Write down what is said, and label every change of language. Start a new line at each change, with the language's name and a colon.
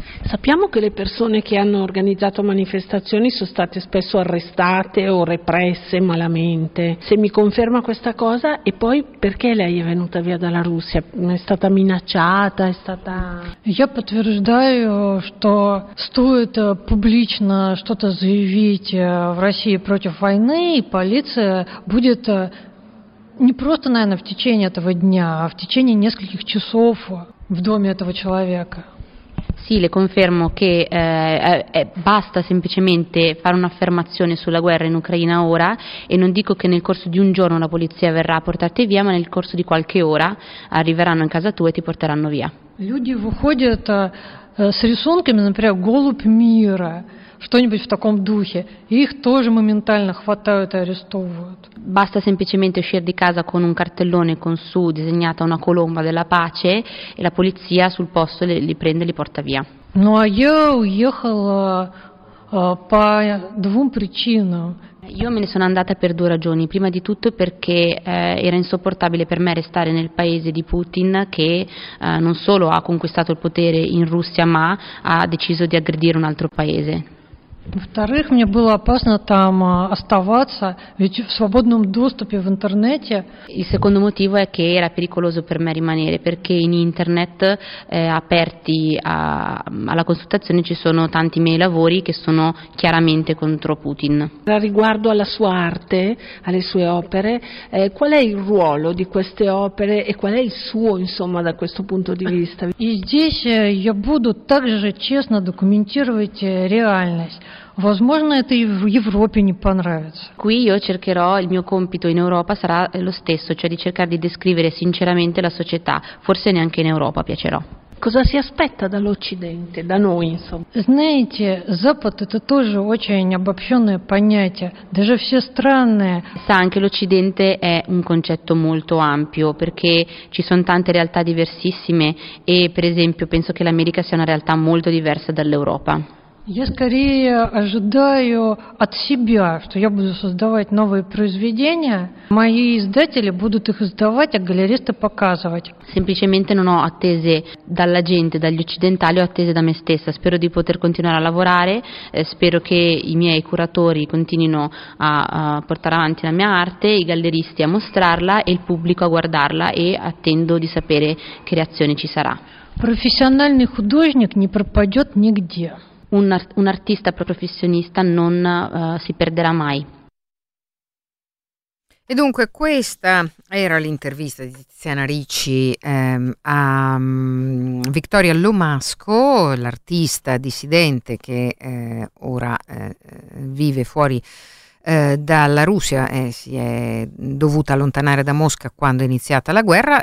Italian: Sappiamo che le persone che hanno organizzato manifestazioni sono state spesso arrestate o represse malamente. Se mi conferma questa cosa, e poi perché lei è venuta via dalla Russia? È stata minacciata? È stata...
Russian: Я подтверждаю, что стоит публично что-то заявить в России против войны, и полиция будет не просто, наверное, в течение этого дня, а в течение нескольких часов в доме этого человека.
Italian: Sì, le confermo che basta semplicemente fare un'affermazione sulla guerra in Ucraina ora e non dico che nel corso di un giorno la polizia verrà a portarti via, ma nel corso di qualche ora arriveranno in casa tua e ti porteranno via.
Russian: Люди выходят с рисунками, например, голубь мира, что-нибудь в таком духе. Их тоже моментально хватают и арестовывают.
Italian: Basta semplicemente uscire di casa con un cartellone con su disegnata una colomba della pace e la polizia sul posto li prende e li porta via. No, io ho uscito per due
Russian: причины.
Italian: Io me ne sono andata per due ragioni. Prima di tutto perché era insopportabile per me restare nel paese di Putin, che non solo ha conquistato il potere in Russia, ma ha deciso di aggredire un altro paese.
Russian: Во-вторых, мне было опасно там оставаться, ведь в свободном доступе в интернете.
Italian: Il secondo motivo è che era pericoloso per me rimanere, perché in internet aperti alla consultazione ci sono tanti miei lavori che sono chiaramente contro Putin. Riguardo alla sua arte, alle sue opere, qual è il ruolo di queste opere e qual è il suo, insomma, da questo punto di vista?
Russian: И здесь я буду также честно документировать реальность. Возможно, это и в Европе не понравится.
Italian: Qui io cercherò, il mio compito in Europa sarà lo stesso, cioè di cercare di descrivere sinceramente la società. Forse neanche in Europa piacerò. Cosa si aspetta dall'Occidente, da noi, insomma?
Russian: Знаете, Запад это тоже очень обобщенное понятие, даже все страны.
Italian: Sa, anche l'Occidente è un concetto molto ampio, perché ci sono tante realtà diversissime e, per esempio, penso che l'America sia una realtà molto diversa dall'Europa.
Russian: Я скорее ожидаю от себя, что я буду создавать новые произведения, мои издатели будут их издавать, а галеристы показывать.
Italian: Semplicemente non ho attese dalla gente, dagli occidentali, ho attese da me stessa. Spero di poter continuare a lavorare, spero che i miei curatori continuino a portare avanti la mia arte, i galleristi a mostrarla e il pubblico a guardarla, e attendo di sapere che reazione ci sarà. Professionale
Russian: художник не пропадет нигде.
Italian: Un artista professionista non si perderà mai. E dunque questa era l'intervista di Tiziana Ricci a Victoria Lomasco, l'artista dissidente che ora vive fuori dalla Russia e si è dovuta allontanare da Mosca quando è iniziata la guerra.